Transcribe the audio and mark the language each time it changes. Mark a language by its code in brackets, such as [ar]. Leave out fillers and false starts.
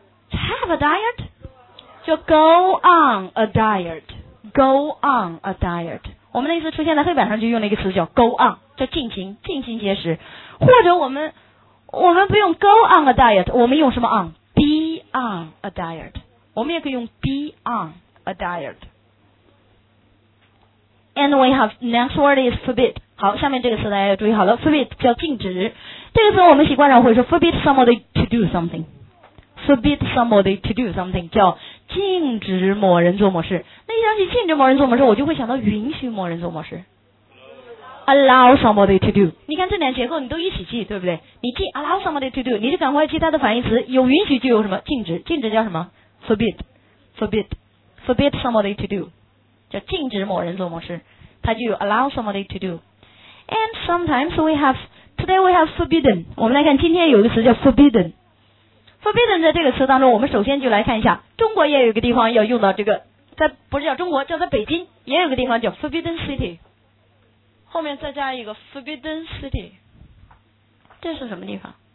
[en] have a diet， 叫 go on a diet， go on a diet。 [zh] 我们那次出现在黑板上就用了一个词叫 go on， 叫进行节食。或者我们不用 go on a diet，我们用什么 on？ [en] be on a diet，我们也可以用 be on a diet。 And we have next word is forbid。 [zh] 好，下面这个词大家要注意好了， forbid 叫禁止。这个词我们习惯上会说 forbid somebody to do something， forbid somebody to do something 叫禁止某人做某事。那一想起禁止某人做某事，我就会想到允许某人做某事， allow somebody to do。你看这两结构你都一起记，对不对？你记 allow somebody to do，你就赶快记它的反义词，有允许就有什么禁止，禁止叫什么？ forbid， forbid， forbid somebody to do，叫禁止某人做某事，它就有 allow somebody to do。 [en] And sometimes we have today we have forbidden。 [zh] 我们来看今天有一个词叫 forbidden。Forbidden 在这个词当中，我们首先就来看一下，中国也有一个地方要用到这个，在不是叫中国，叫在北京也有一个地方叫 Forbidden City， 后面再加一个 Forbidden City， 这是什么地方？